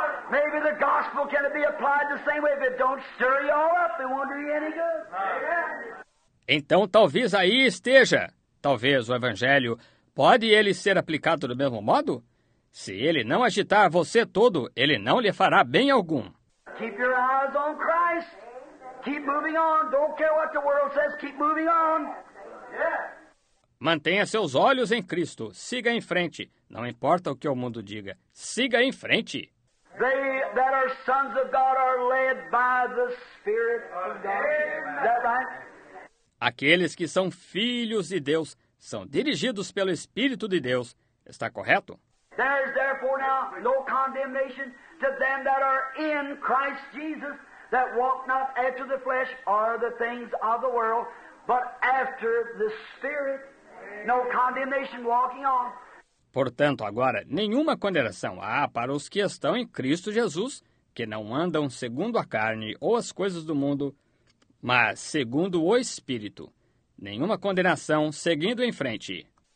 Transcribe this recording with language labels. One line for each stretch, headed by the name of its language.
English: Maybe the gospel can be applied the same way, if it don't stir you all up, it won't do you any good.
Portuguese: Então talvez aí esteja. Talvez o evangelho pode ele ser aplicado do mesmo modo? Se ele não agitar você todo, ele não lhe fará bem algum.
English: Keep your eyes on Christ. Keep moving on. Don't care what the world says. Keep moving on.
Portuguese: Mantenha seus olhos em Cristo. Siga em frente. Não importa o que o mundo diga. Siga em frente.
English: They that are sons of God are led by the Spirit of God. Is that right?
Portuguese: Aqueles que são filhos de Deus são dirigidos pelo Espírito de Deus. Está correto?
English: There is therefore now no condemnation to them that are in Christ Jesus, that walk not after the flesh or the things of the world, but after the Spirit. No condemnation walking on.
Portuguese: Portanto, agora, nenhuma condenação há para os que estão em Cristo Jesus, que não andam segundo a carne ou as coisas do mundo, mas segundo o Espírito. Nenhuma condenação, seguindo em frente.